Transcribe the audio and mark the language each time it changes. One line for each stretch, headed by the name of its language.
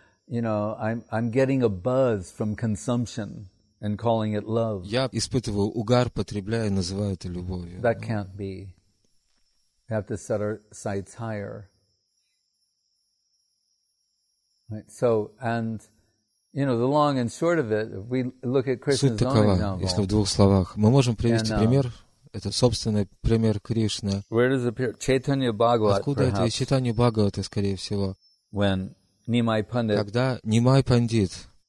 English: You know, I'm getting a buzz from consumption and calling it love.
Russian: Я испытываю угар, потребляя, называю это любовью.
English: That can't be. We have to set our sights higher. Right. So, and you know, the long and short of it, if we look at Krishna's own example.
Russian: Суть такова, если в двух словах. Мы можем привести пример. Это собственный пример Кришны.
English: Where does it appear? Chaitanya Bhagavat,
Russian: Откуда
English: perhaps?
Russian: Это? Из Чайтаньи Бхагаваты, скорее всего.
English: When
Russian: Когда Нимай Пандит